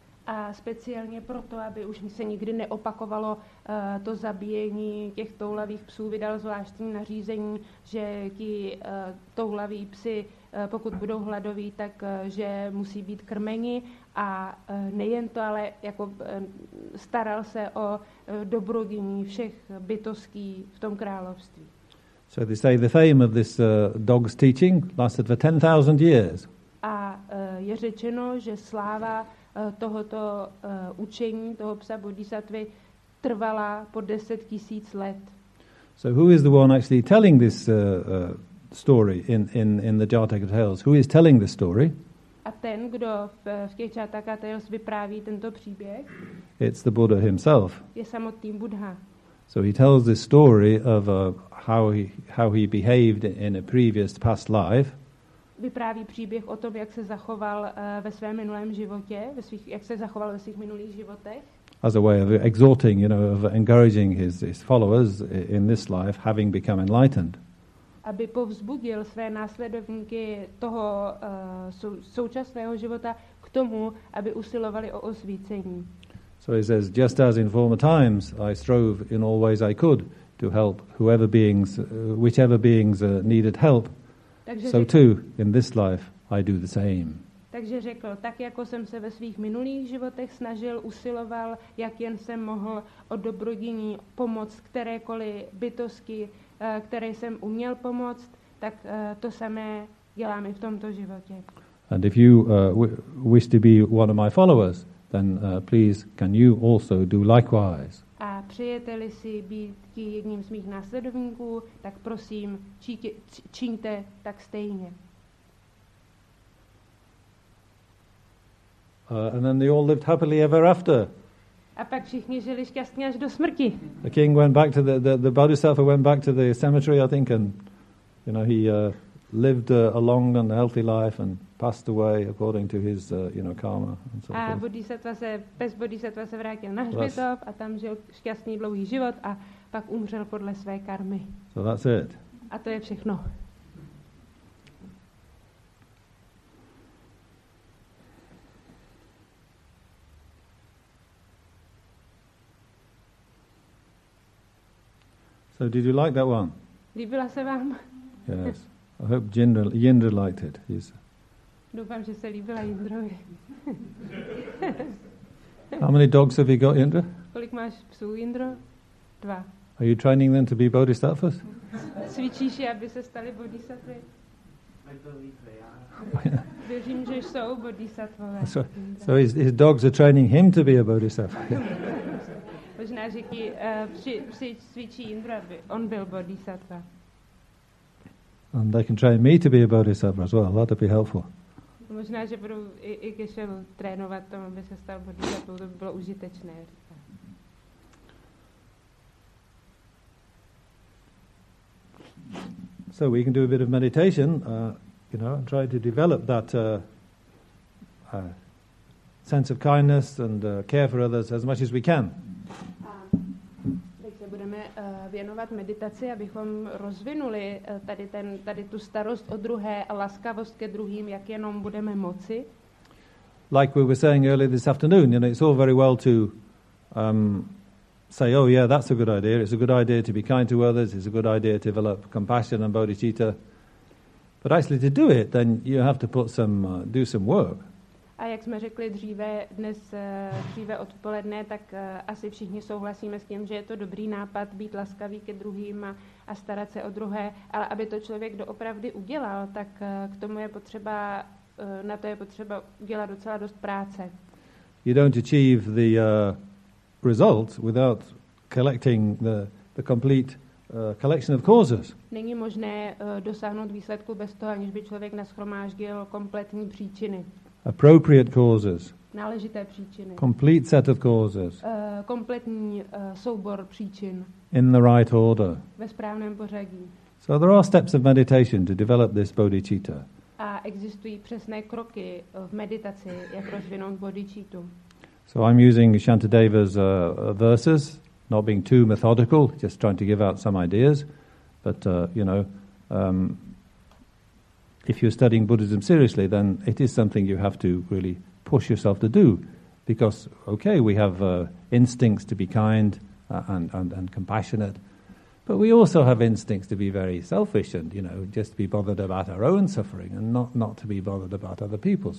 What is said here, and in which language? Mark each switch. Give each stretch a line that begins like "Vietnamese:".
Czech: A speciálně proto, aby už se nikdy neopakovalo to zabíjení těch toulavých psů, vydal zvláštní nařízení, že ti toulaví psi, pokud budou hladoví, tak že musí být krmeni. A nejen to, ale jako staral se o dobrodění všech bytostí v tom království.
English: So they say the fame of this dog's teaching lasted for 10,000 years.
Czech: A je řečeno, že sláva tohoto učení, toho psa bodhisattvy, trvala po 10,000 let.
English: So who is the one actually telling this story in the Jataka Tales? Who is telling this story?
Czech: A ten, kdo v těch Jataka Tales vypráví tento příběh?
English: It's the Buddha himself.
Czech: Je samotný Buddha.
English: So he tells this story of how he behaved in a previous past life.
Czech: Vypráví příběh o tom, jak se zachoval ve svém minulém životě, jak se zachoval ve svých minulých životech.
English: As a way of exhorting, you know, of encouraging his followers in this life, having become enlightened.
Czech: Aby povzbudil své následovníky toho současného života k tomu, aby usilovali o osvícení.
English: So he says, just as in former times, I strove in all ways I could to help whoever beings, whichever beings needed help.
Czech: Takže
English: so
Czech: řekl,
English: too in this life, I do the same.
Czech: Takže řekl, tak jako jsem se ve svých minulých životech snažil, usiloval, jak jen jsem mohl o dobrodění pomoct kterékoliv bytosti, které jsem uměl pomoct, tak to samé dělám i v tomto životě.
English: And if you wish to be one of my followers, then please, can you also do likewise?
Czech: A přejete-li si být jedním z mých následovníků, tak prosím, čiňte tak stejně.
English: And then they all lived happily ever after.
Czech: A pak všichni žili šťastně až do smrti.
English: The king went back to the bodhisattva went back to the cemetery, I think, and you know, he lived a long and healthy life and passed away according to his you know, karma and so on.
Czech: A bodhisattva se, pes bodhisattva se vrátil na hřbitov a tam žil šťastný dlouhý život a pak umřel podle své karmy.
English: So that's it.
Czech: A to je všechno.
English: So did you like that one?
Czech: Líbila se vám?
English: Yes. I hope Jindra liked it.
Czech: Doufám, že se líbila Jindrovi.
English: How many dogs have you got, Jindra?
Czech: Kolik máš psů, Jindro? Dva.
English: Are you training them to be bodhisattvas?
Czech: Cvičíš je, aby se stali bodhisattvy? Věřím, že jsou bodhisattvové.
English: So his dogs are training him to be a bodhisattva.
Czech: Možná, že psi cvičí Jindra, aby on byl bodhisattva.
English: And they can train me to be a bodhisattva as well. That'd be helpful.
Czech: Možná, že budu i Kešel trénovat tomu, aby se stal bodhisattvou. To by bylo užitečné.
English: So we can do a bit of meditation, you know, and try to develop that sense of kindness and care for others as much as we can.
Czech: Takže budeme věnovat meditaci, abychom rozvinuli tady tu starost o druhé a laskavost ke druhým, jak jenom budeme moci.
English: Like we were saying earlier this afternoon, you know, it's all very well to say, oh yeah, that's a good idea. It's a good idea to be kind to others. It's a good idea to develop compassion and bodhicitta. But actually, to do it, then you have to put some do some work.
Czech: A jak jsme řekli dříve dnes dříve odpoledne, tak asi všichni souhlasíme s tím, že je to dobrý nápad být laskavý ke druhým a starat se o druhé, ale aby to člověk doopravdy udělal, tak k tomu je potřeba na to je potřeba udělat docela dost práce.
English: You don't achieve the result without collecting the complete collection of causes.
Czech: Není možné dosáhnout výsledku bez toho, aniž by člověk nashromáždil kompletní příčiny.
English: Appropriate causes.
Czech: Náležité příčiny.
English: Complete set of causes.
Czech: Kompletní soubor příčin.
English: In the right order.
Czech: Ve správném pořadí.
English: So there are steps of meditation to develop this bodhicitta.
Czech: A existují přesné kroky v meditaci, jak rozvinout bodhicittu.
English: So I'm using Shantideva's verses, not being too methodical, just trying to give out some ideas. But, you know, if you're studying Buddhism seriously, then it is something you have to really push yourself to do. Because, okay, we have instincts to be kind and compassionate, but we also have instincts to be very selfish and, you know, just to be bothered about our own suffering and not to be bothered about other people's.